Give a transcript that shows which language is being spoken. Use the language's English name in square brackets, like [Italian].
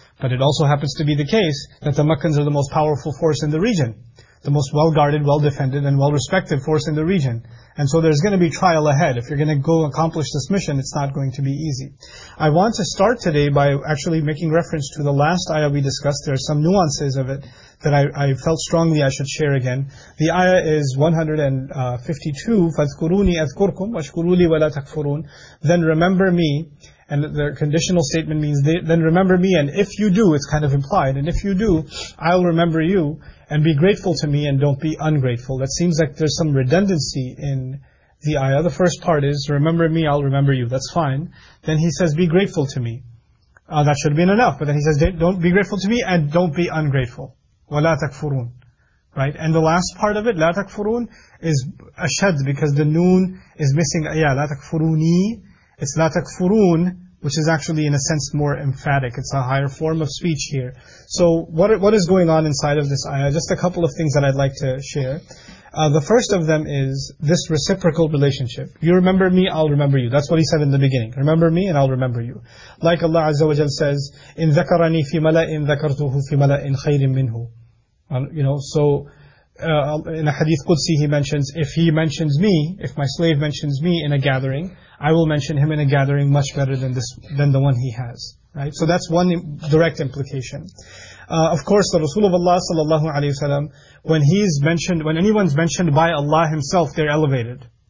[English] But it also happens to be the case that the Meccans are the most powerful force in the region, the most well-guarded, well-defended, and well-respected force in the region. And so there's going to be trial ahead. If you're going to go accomplish this mission, it's not going to be easy. I want to start today by actually making reference to the last ayah we discussed. There are some nuances of it that I felt strongly I should share again. The ayah is 152, [Arabic] فَاذْكُرُونِي أَذْكُرْكُمْ وَاشْكُرُولِي وَلَا تَكْفُرُونَ. [English] Then remember me. And the conditional statement means, then remember me, and if you do, it's kind of implied, and if you do, I'll remember you, and be grateful to me, and don't be ungrateful. That seems like there's some redundancy in the ayah. The first part is, remember me, I'll remember you. That's fine. Then he says, be grateful to me. That should have been enough. But then he says, don't be grateful to me, and don't be ungrateful. [Arabic] وَلَا تَكْفُرُونَ. [English] Right? And the last part of it, [Arabic] لَا تَكْفُرُونَ, [English] is ashad, because the noon is missing. [Arabic] Yeah, لَا تَكْفُرُونِي. [English] It's [Arabic] لا تكفرون, [English] which is actually in a sense more emphatic. It's a higher form of speech here. So what is going on inside of this ayah? Just a couple of things that I'd like to share. The first of them is this reciprocal relationship. You remember me, I'll remember you. That's what he said in the beginning. Remember me and I'll remember you. Like Allah Azza wa Jal says, [Arabic] إِن ذَكَرَنِي فِي مَلَئٍ ذَكَرْتُهُ فِي مَلَئٍ خَيْرٍ مِّنْهُ. [English] You know, so in a hadith Qudsi he mentions, if he mentions me, if my slave mentions me in a gathering, I will mention him in a gathering much better than this, than the one he has. Right? So that's one direct implication. Of course, the Rasul of Allah sallallahu alayhi wa sallam, when he's mentioned, when anyone's mentioned by Allah himself, they're elevated.